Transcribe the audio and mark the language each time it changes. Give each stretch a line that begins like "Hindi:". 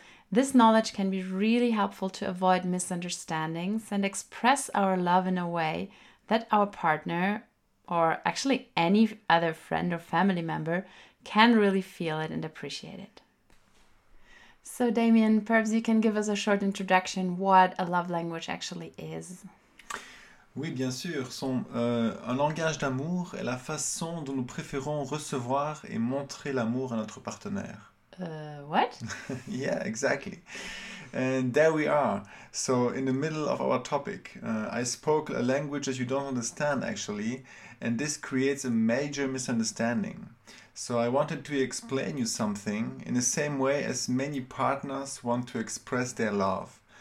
English: This knowledge can be really helpful to avoid misunderstandings and express our love in a way that our partner, or actually any other friend or family member, can really feel it and appreciate it. So Damien, perhaps you can give us a short introduction what a love language actually is.
French: Oui, bien sûr. Un langage d'amour est la façon dont nous préférons recevoir et montrer l'amour à notre partenaire.
English: What? Yeah, exactly. And there we are. So, in the middle of our topic, I spoke a language that you don't understand, actually, and this creates a major misunderstanding. So, I wanted to explain you something in the same way as many partners want to express their love.